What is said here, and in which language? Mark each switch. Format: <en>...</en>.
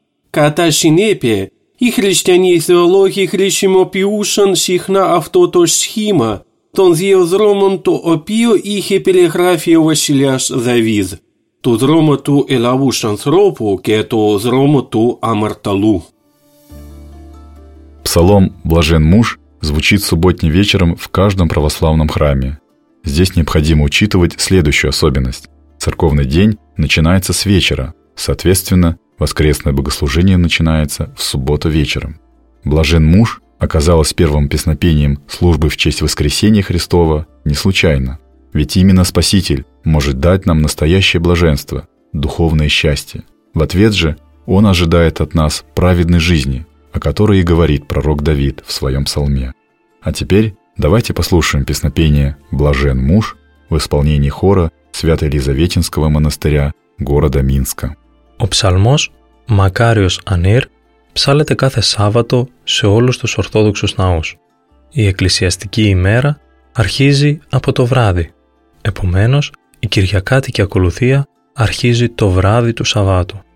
<el>Κατά συνέπεια, οι χριστιανοί θεολόγοι χρησιμοποιούσαν συχνά αυτό το σχήμα των δύο δρόμων, το οποίο είχε περιγράφει ο βασιλιάς Δαβίδ, του δρόμου του ελαβούς ανθρώπου και το δρόμο του αμαρταλού.</el> <ru>Псалом «Блажен муж» звучит субботним вечером в каждом православном храме. Здесь необходимо учитывать следующую особенность. Церковный день начинается с вечера, соответственно, воскресное богослужение начинается в субботу вечером. «Блажен муж» оказалось первым песнопением службы в честь воскресения Христова не случайно, ведь именно Спаситель может дать нам настоящее блаженство, духовное счастье. В ответ же Он ожидает от нас праведной жизни, о которой и говорит пророк Давид в своем псалме. А теперь давайте послушаем песнопение «Блажен муж» в исполнении хора Свято-Елизаветинского монастыря города Минска.</ru> <el>Ο ψαλμός «Μακάριος Ανήρ» ψάλλεται κάθε Σάββατο σε όλους τους Ορθόδοξους ναούς. Η εκκλησιαστική ημέρα αρχίζει από το βράδυ. Επομένως, η κυριακάτικη ακολουθία αρχίζει το βράδυ του Σαββάτου.</el>